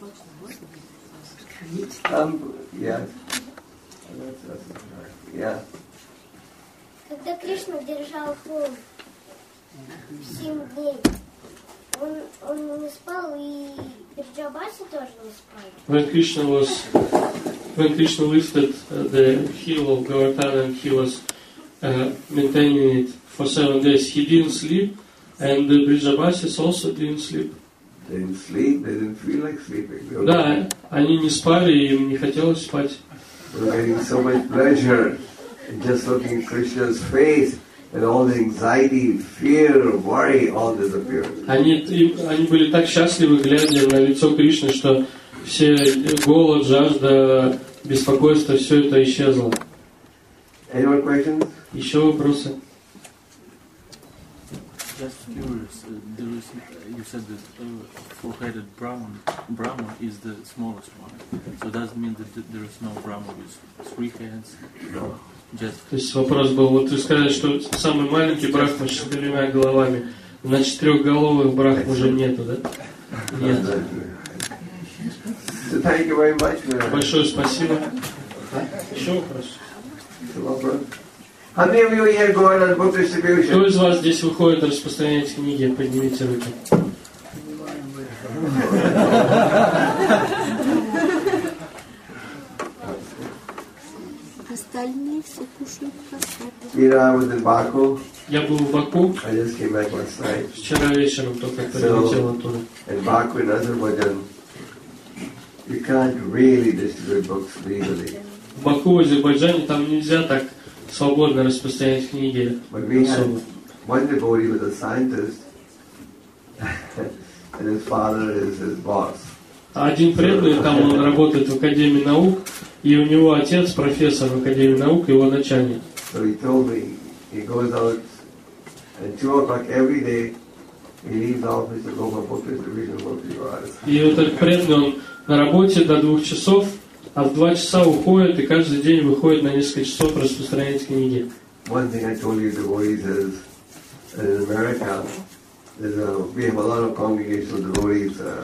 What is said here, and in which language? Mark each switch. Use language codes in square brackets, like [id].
[ru] Бакшу можно? Когда Кришна держал хор 7 дней, он не спал, и Вриджабаси тоже не спал. [en] When Krishna listed the hill of Govardhana, he was maintaining it for 7 days. He didn't sleep, and the Vrijabhasis also didn't sleep. Didn't sleep? They didn't feel like sleeping. [ru] Да, они не спали, им не хотелось спать. [en] Having so much pleasure in just looking at Krishna's face, and all the anxiety, fear, worry, all disappeared. [ru] Они были так счастливы, глядя на лицо Кришны, что все голод, жажда, беспокойство, все это исчезло. [en] Any more questions? [ru] Еще вопросы? [en] Just curious, there is, you said that four-headed Brahma is the smallest one. So does it mean that there is no Brahma with three heads? No. [ru] То есть вопрос был, вот ты сказали, что самый маленький брахма с четырьмя головами, значит трехголовых брахм уже нету, да? Нет. [en] So thank you very much, man. [ru] Большое спасибо. Еще вопрос? [en] How many of you here go on book distribution? [ru] Кто из вас здесь выходит распространять книги? Поднимите руки. Я был в Баку. [en] I just came back last night. [ru] Вчера вечером только прилетел оттуда. [en] In Baku, in Azerbaijan, you can't really distribute books legally. [ru] В Баку, в Азербайджане, там нельзя так свободно распространять книги. [en] But we had one devotee was a scientist, and his father is his boss. [ru] Один преданный, там он работает в Академии наук, и у него отец профессор в Академии наук, его начальник. [en] So he told me, he goes out at 2 o'clock every day, he leaves the office to go for book distribution about 3 hours. [ru] И вот этот преданный, он на работе до 2 часов, а в 2 часа уходит и каждый день выходит на несколько часов распространять книги. [en] One thing I told you, the devotees is, in America, we have a lot of congregational devotees.